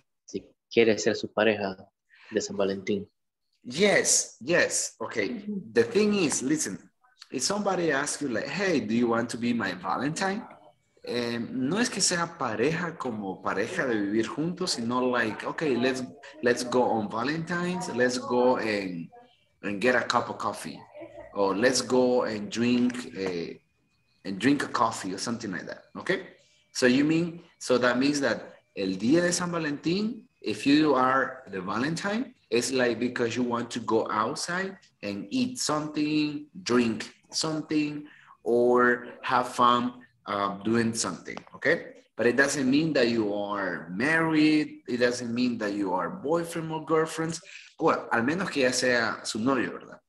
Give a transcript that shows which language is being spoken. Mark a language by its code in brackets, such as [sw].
[es] Si quiere ser su pareja de San Valentín. [en] Yes, yes. Okay. Mm-hmm. The thing is, listen, if somebody asks you, like, hey, do you want to be my Valentine? [es] No es que sea pareja como pareja de vivir juntos, sino [en] like, okay, let's go on Valentine's, let's go and get a cup of coffee, or let's go and drink a coffee or something like that, okay? So that means that [es] el día de San Valentín, [en] if you are the Valentine, it's like because you want to go outside and eat something, drink something, or have fun doing something, okay? But it doesn't mean that you are married. It doesn't mean that you are boyfriend or girlfriends. [es] Well, al menos que ya sea su novio, ¿verdad?